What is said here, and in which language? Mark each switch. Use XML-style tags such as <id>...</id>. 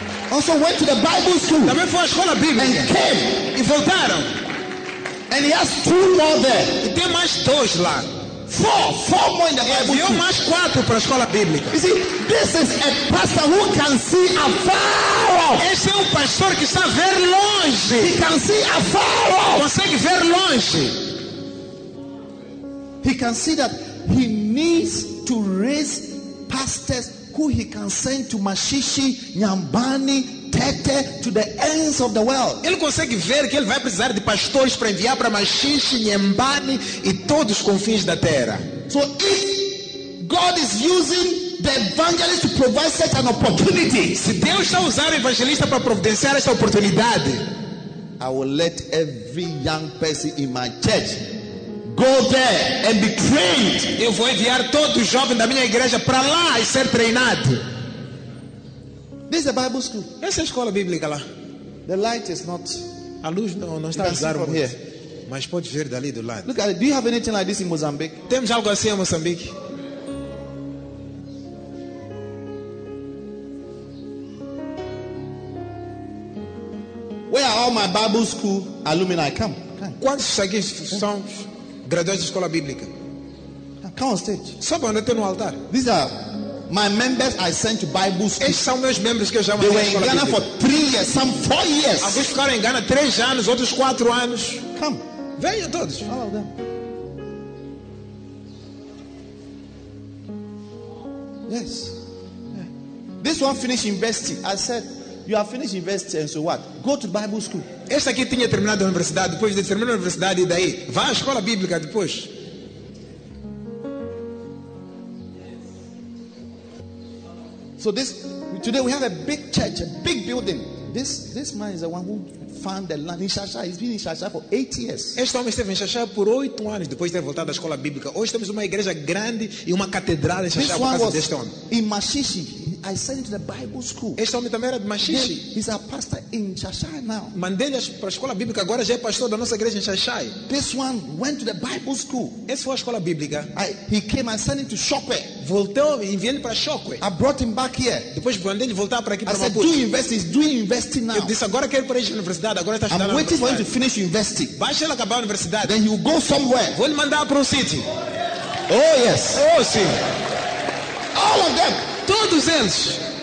<en>Also went to the Bible school.</en> <pt>Também foi à escola bíblica.</pt> <en>And came.</en> <pt>E voltaram.</pt> <en>And he has 2 more there.</en> <pt>E tem mais 2 lá.</pt> <en>Four more in the Bible.</en> <pt>Enviou mais 4 para a escola bíblica.</pt> <en>You see, this is a pastor who can see afar off.</en> <pt>Esse é um pastor que está a ver longe.</pt> <en>He can see afar off.</en> <pt>Consegue ver longe.</pt> <en>He can see that he needs to raise pastors who he can send to Mashishi, Nyambani, Tete, to the ends of the world.</en> <pt>Ele consegue ver que ele vai precisar de pastores para enviar para Mashishi, Nyambani e todos os confins da terra.</pt> <en>So if God is using the evangelist to provide such an opportunity,</en> <pt>se Deus está usando o evangelista para providenciar essa oportunidade,</pt> <en>I will let every young person in my church go there and be trained.</en> <pt>Eu vou enviar todo jovem da minha igreja para lá e ser treinado.</pt> <en>This is the Bible school.</en> <pt>Essa é a escola bíblica lá.</pt> <en>The light is not.</en> <pt>A luz não está</pt> <en>usar from here.</en> <pt>Mas pode ver dali do lado.</pt> <en>Look at it. Do you have anything like this in Mozambique?</en> <pt>Temos algo assim em Moçambique?</pt> <en>Where are all my Bible school alumni? Come.</en> <pt>Quantos aqui são graduados da escola bíblica?</pt> <en>Come on stage.</en> <pt>Sobe onde tem no altar.</pt> <en>These are my members I sent to Bible school.</en> <pt>Esses são meus membros que eu já mandei.</pt> <en>They were in Ghana for 3 years, some 4 years.</en> <pt>Alguns ficaram em Ghana 3 anos, outros 4 anos.</pt> <en>Come.</en> <pt>Venham todos.</pt> <en>Follow them. Yes. Yeah. This one finished university. I said, you have finished university and so what? Go to Bible school.</en> <pt>Esta aqui tinha terminado a universidade, depois de terminar a universidade e daí? Vá à escola bíblica depois.</pt> <en>So this, today we have a big church, a big building. This man is the one who found the land in Shasha. He's been in Shasha for 8 years.</en> <pt>Este homem esteve em Shasha por 8 anos depois de ter voltado da escola bíblica. Hoje temos uma igreja grande e uma catedral em Shasha por causa deste homem.</pt> <en>In Mashishi, I sent him to the Bible school.</en> <pt>Este homem também era de Mashishi.</pt> <en>He's a pastor in Shasha now.</en> <pt>Mandei-lhe para a escola bíblica, agora já é pastor da nossa igreja em Shasha.</pt> <en>This one went to the Bible school.</en> <pt>Esse foi à escola bíblica.</pt> <en>He came, I sent him to Shokwe.</en> <pt>Voltou e enviei-lhe para Shokwe.</pt> <en>I brought him back here.</en> <pt>Depois mandei-lhe voltar para aqui para</pt> <en>Maputo. I said, do investing now.</en> <pt>Eu disse, agora quero ir para a universidade. Agora está</pt> <en>estudando. I'm waiting for him to finish university.</en> <pt>Baixa ele acabar a universidade.</pt> <en>Then he'll go somewhere.</en> <pt>Vou lhe mandar para um city.</pt> <en>Oh yes.</en> <pt>Oh sim.</pt> <en>All of them.</en> <pt>Todos eles.</pt>